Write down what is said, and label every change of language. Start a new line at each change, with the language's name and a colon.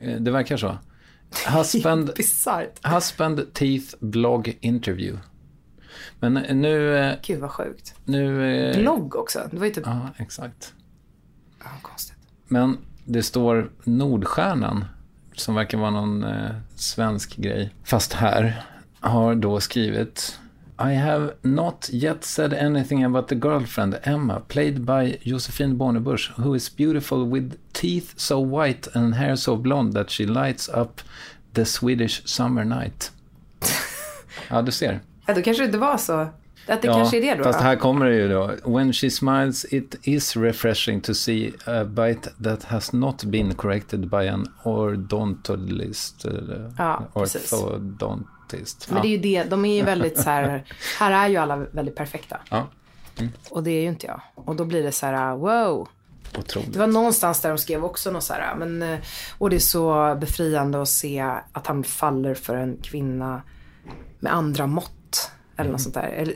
Swedish: Det verkar så.
English: Husband, husband teeth blog interview.
Swedish: Men nu, gud vad sjukt. Nu, blogg också. Det var ju typ, ja, exakt. Ja, konstigt. Men det står Nordstjärnan som verkar vara någon svensk grej. Fast här har då skrivit,
English: I have not yet said anything about the girlfriend Emma played by Josefine Bornebusch, who is beautiful with teeth so white and hair so blonde that she lights up the Swedish summer night.
Swedish: Ja, du ser. Ja, då kanske det inte var så. Att det, ja, kanske är det då. Fast här kommer det ju då.
English: When she smiles it is refreshing to see a bite that has not been corrected by an orthodontist.
Swedish: Ja,
English: orthodontist.
Swedish: Men det är ju det, de är ju väldigt så här, här är ju alla väldigt perfekta. Ja. Och det är ju inte jag. Och då blir det så här, wow. Otroligt. Det var någonstans där de skrev också något så här, men, och det är så befriande att se att han faller för en kvinna med andra mått eller något sånt där.